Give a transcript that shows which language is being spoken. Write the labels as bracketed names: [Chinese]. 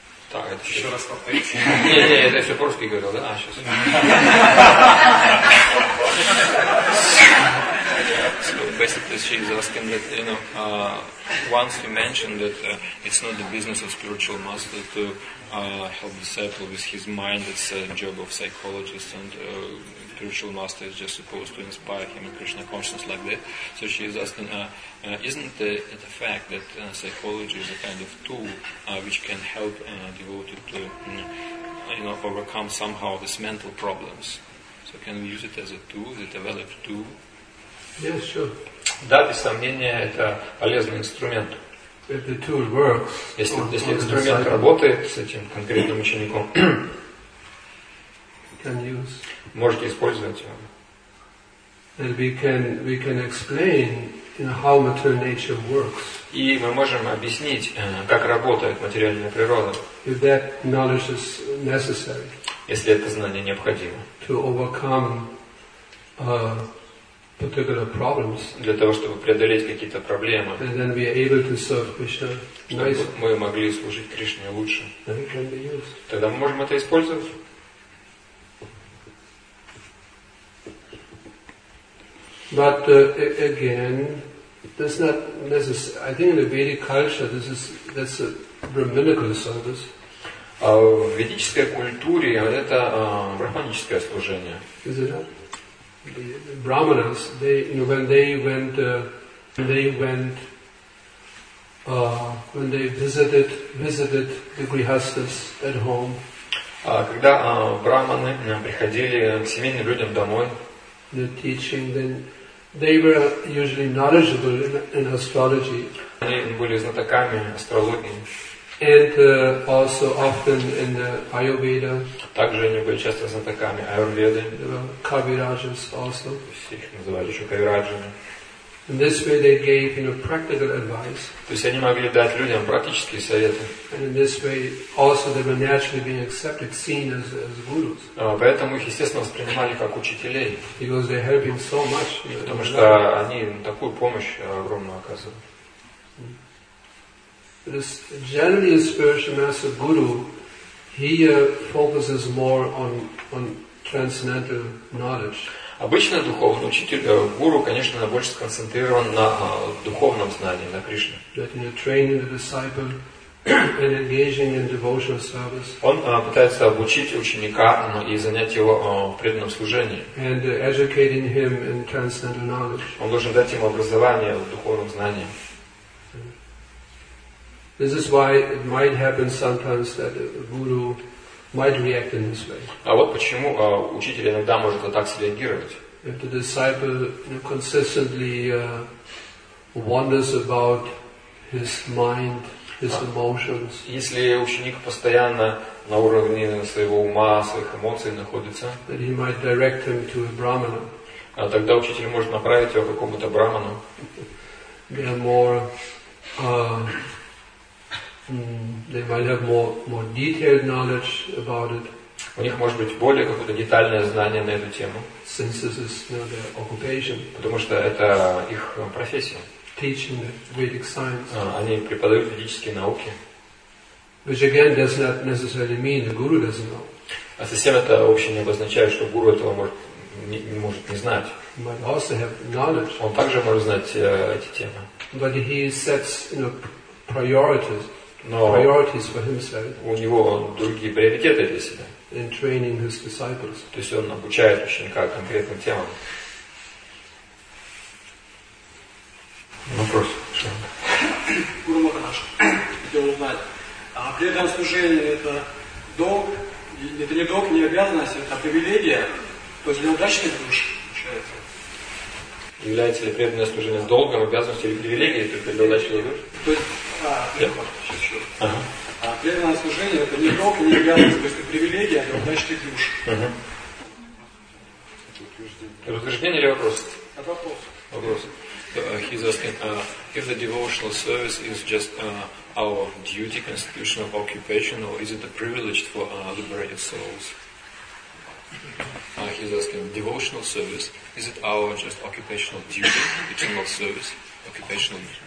[Russian] Так, это еще раз повторите. Не-не, это все по-русски говорил, да? А, сейчас. [English] Basically, she is asking that, you know, once you mentioned that it's not the business of spiritual master to help disciple with his mind, it's a job of psychologist, and spiritual master is just supposed to inspire him in Krishna consciousness like that. So she is asking, isn't it a fact that psychology is a kind of tool which can help a devotee to, you know, overcome somehow these mental problems? So can we use it as a tool, as a developed tool? Yes, sure. [Russian] Да, без сомнения, это полезный инструмент. [English] If the tool works, [Russian] если инструмент работает с этим конкретным учеником, [English] can use. [Russian] Можете использовать его. [English] Then we can explain, you know, how material nature works. [Russian] И мы можем объяснить, как работает материальная природа. [English] If that knowledge is necessary. [Russian] Если это знание необходимо. [English] To overcome. Particular problems. [Russian] Для того, чтобы преодолеть какие-то проблемы. [English] And then we are able to serve Krishna. [Russian] Чтобы мы могли служить Кришне лучше. [English] Then it can be used. [Russian] Тогда мы можем это использовать. [English] But again, that's not necessary. I think in the Vedic culture, that's a brahminical service. [Russian] А в ведической культуре это брахманическое служение. [English] Is it not? The brahmanas, they, you know, when they visited the grihasthas at home. [Russian] Когда брахманы приходили к семейным людям домой. [English] The teaching, then they were usually knowledgeable in astrology. [Russian] Они были знатоками астрологии. [English] And also often in the Ayurveda. [Russian] Также они были часто знатоками Аюрведы. [English] Кавираджас also. [Russian] Их называли еще кавираджами. [English] In this way they gave, you know, practical advice. [Russian] То есть они могли дать людям практические советы. [English] And in this way also they were naturally being accepted, seen as gurus. [Russian] Поэтому их естественно воспринимали как учителей. [English] Because they're helping so much. [Russian] Потому что они такую помощь огромную оказывают. [English] This generally a spiritual master guru, he focuses more on transcendental knowledge. [Russian] Обычно духовный учитель, гуру, конечно, больше сконцентрирован на духовном знании, на Кришне. [English] That in training the disciple and engaging in devotional service. [Russian] Он пытается обучить ученика и занять его преданном служении. [English] And educating him in transcendental knowledge. [Russian] Он должен дать ему образование в духовном знании. [English] This is why it might happen sometimes that a guru might react in this way. [Russian] А вот почему учитель иногда может вот так реагировать. [English] If the disciple, you know, consistently wanders about his mind, his emotions. [Russian] Если ученик постоянно на уровне своего ума, своих эмоций находится. [English] Then he might direct him to a brahmana. [Russian] А тогда учитель может направить его к какому-то брахману. [English] They are more. They might have more detailed knowledge about it. [Russian] У них может быть более какое-то детальное знание на эту тему. [English] Since this is, you know, their occupation. [Russian] Потому что это их профессия. [English] teaching Vedic science. [Russian] Они преподают ведические науки. [English] Which again does not necessarily mean the guru doesn't know. [Russian] А совсем это вообще не обозначает, что гуру этого может не знать. [English] But also have knowledge. [Russian] Он также может знать эти темы. [English] But he sets, you know, priorities for himself. [Russian] У него другие приоритеты для себя. [English] In training his disciples. [Russian] То есть он обучает ученика конкретным темам. Вопрос. Гуру Махарадж, хотел узнать, а при этом служение это долг, это не долг, не обязанность, это привилегия, то есть неудачный душ получается. Является ли преданное служение долгом, обязанностью или привилегией, только для удачного душа? То есть, сейчас. А преданное служение это не долг, не обязанность, то есть это привилегия, а удачный душ. Утверждение или вопрос? Это вопрос. Вопрос. [English] He's asking if the devotional service is just our duty, constitutional occupation, or is it a privilege for liberated souls? He's asking, devotional service, is it our just occupational duty, eternal service, occupational?